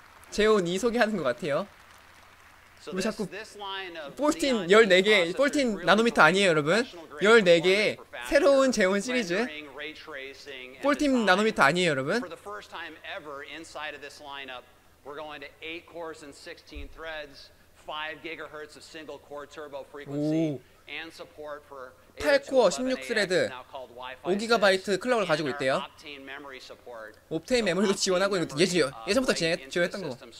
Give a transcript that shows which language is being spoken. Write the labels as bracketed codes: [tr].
[ko] 제온이 소개하는 것 같아요. 왜 자꾸 14 나노미터 아니에요, 여러분? 14개의 새로운 제온 시리즈. 14 나노미터 아니에요, 여러분? [en] For the first time ever inside of this lineup, we're going to 8 cores and 16 threads, 5 gigahertz of single core turbo frequency and support for [ko] 8코어 16스레드 5GB 클럭을 가지고 있대요. 옵테인 메모리도 지원하고 있는 예전부터 지원했던 거.